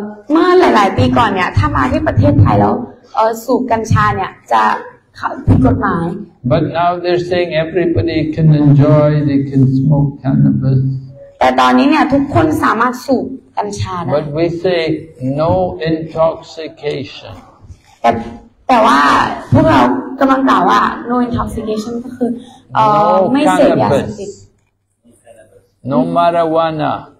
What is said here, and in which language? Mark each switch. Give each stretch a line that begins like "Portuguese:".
Thai: เมื่อหลายๆปีก่อนเนี่ยถ้ามาที่ประเทศไทยแล้วสูบกัญชาเนี่ยจะผิดกฎหมาย
English: But now they're saying everybody can enjoy they can smoke cannabis
Thai: แต่ตอนนี้เนี่ยทุกคนสามารถสูบกัญชาได้
English: But we say no intoxication
Thai: แต่ว่าพวกเรากำลังกล่าวว่า
English: no intoxication
Thai: ก็คือไม่เสพยาเสพติด
English: no marijuana